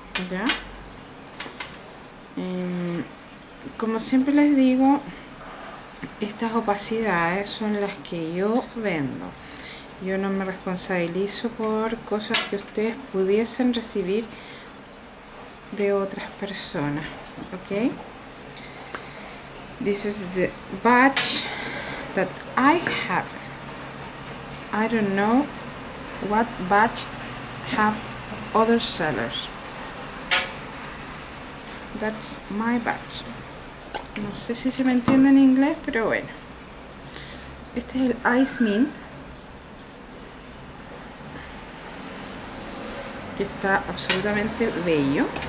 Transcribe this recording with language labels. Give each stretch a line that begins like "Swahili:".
Spanish: Ya, como siempre les digo, estas opacidades son las que yo vendo. Yo no me responsabilizo por cosas que ustedes pudiesen recibir de otras personas. Ok.
English: This is the batch that I have. I don't know what batch have other sellers. That's my batch.
Spanish: No sé si se me entiende en inglés, pero bueno. Este es el Ice Mint, que está absolutamente bello.